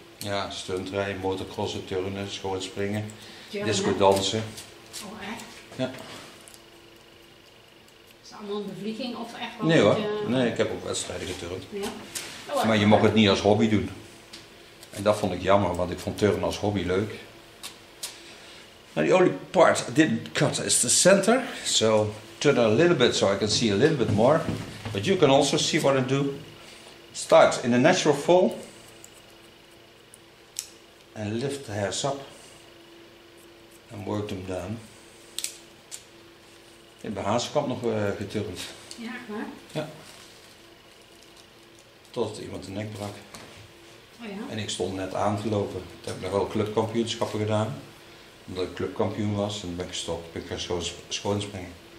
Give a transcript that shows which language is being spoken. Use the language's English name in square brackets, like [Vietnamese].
[Dutch] Ja, stuntrijden, motocrossen, turnen, schootspringen, ja, disco dansen. Oh echt? Ja. Is dat allemaal een bevlieging of echt wel? Nee hoor, nee, ik heb ook wedstrijden geturnd. Ja? Oh, maar je mocht het niet als hobby doen. En dat vond ik jammer, want ik vond turnen als hobby leuk. [English] Now the only part I didn't cut is the center. So turn a little bit so I can see a little bit more. But you can also see what I do. Start in a natural fall. And lift the hairs up and work them down. [Dutch] Ik heb mijn hazenkamp nog geturnd. Ja, echt waar? Ja. Totdat iemand de nek brak. Oh ja? En ik stond net aan te lopen. Toen heb ik nog wel clubkampioenschappen gedaan. Omdat ik clubkampioen was en ben ik gestopt. Ben ik gaan schoonspringen.